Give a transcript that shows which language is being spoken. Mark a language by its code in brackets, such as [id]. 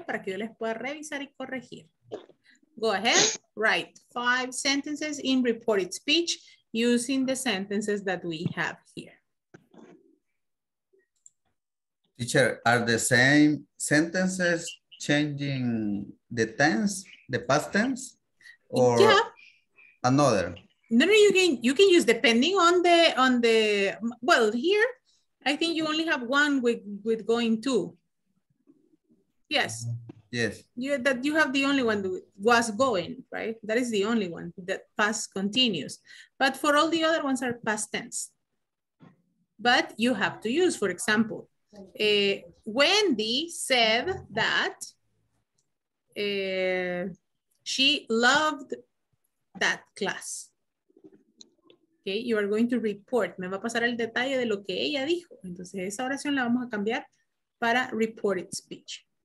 [es] Para que yo les pueda revisar y corregir. [en] Go ahead, write 5 sentences in reported speech using the sentences that we have here. Teacher, are the same sentences changing the tense, the past tense, or yeah, another? No, you can use depending on the well, here I think you only have one with going to. Yes. Yes. You have the only one that was going, right? That is the only one that past continuous. But for all the other ones are past tense. But you have to use, for example, Wendy said that she loved that class. Okay, you are going to report. [es] Me va a pasar el detalle de lo que ella dijo. Entonces, esa oración la vamos a cambiar para reported speech.